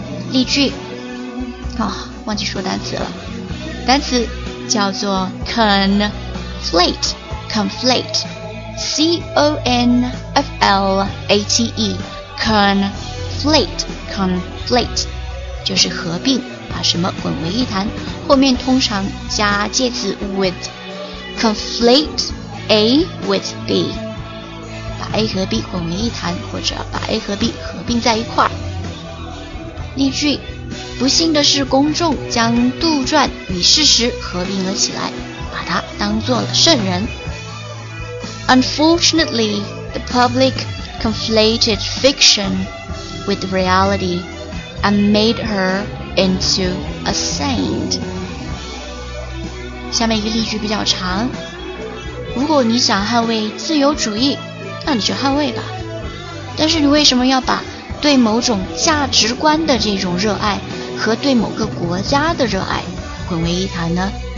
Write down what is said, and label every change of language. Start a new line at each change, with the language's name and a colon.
Chinese: 例句，忘记说单词了，单词叫做 conflate C-O-N-F-L-A-T-E conflate 就是合并，把什么混为一谈，后面通常加介词 with， conflate A with B， 把 A 和 B 混为一谈，或者把 A 和 B 合并在一块儿。例句，不幸的是公众将杜撰与事实合并了起来，把它当做了圣人。
English: Unfortunately, the public conflated fiction with reality and made her into a saint.
Chinese: 下面一个例句比较长，如果你想捍卫自由主义，那你就捍卫吧。但是你为什么要把对某种价值观的这种热爱和对某个国家的热爱混为一谈呢？